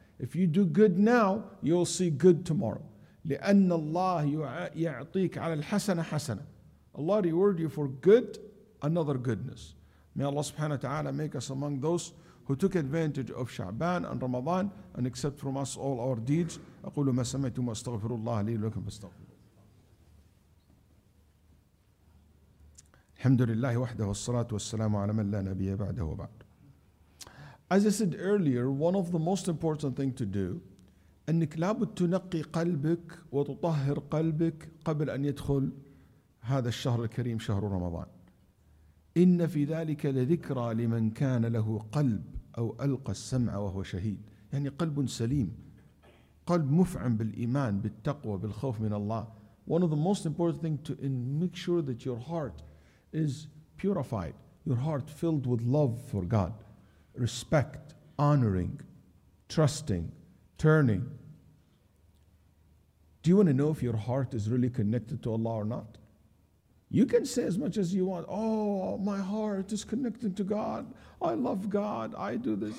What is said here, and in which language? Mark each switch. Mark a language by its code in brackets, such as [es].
[en] If you do good now, you'll see good tomorrow. [ar] لِأَنَّ اللَّهِ يَعْطِيكَ عَلَى الْحَسَنَ حَسَنًا. [en] Allah reward you for good, another goodness. May Allah subhanahu wa ta'ala make us among those who took advantage of Sha'ban and Ramadan and accept from us all our deeds. [ar] أَقُولُ مَا سَمَيْتُ مَا أَسْتَغْفِرُ اللَّهَ لِي لَكُمْ فَاسْتَغْفِرُ الحمد لله وحده والصلاة والسلام على من لا نبي بعده وبعد. [en] As I said earlier, one of the most important thing to do, [ar] أنك لابد تنقي قلبك وتطهر قلبك قبل أن يدخل هذا الشهر الكريم شهر رمضان. إن في ذلك لذكرى لمن كان له قلب أو ألقى السمع وهو شهيد. يعني قلب سليم, قلب مفعم بالإيمان بالتقوى بالخوف من الله. [en] One of the most important thing to make sure that your heart is purified, your heart filled with love for God, respect, honoring, trusting, turning. Do you want to know if your heart is really connected to Allah or not? You can say as much as you want, oh, my heart is connected to God, I love God, I do this.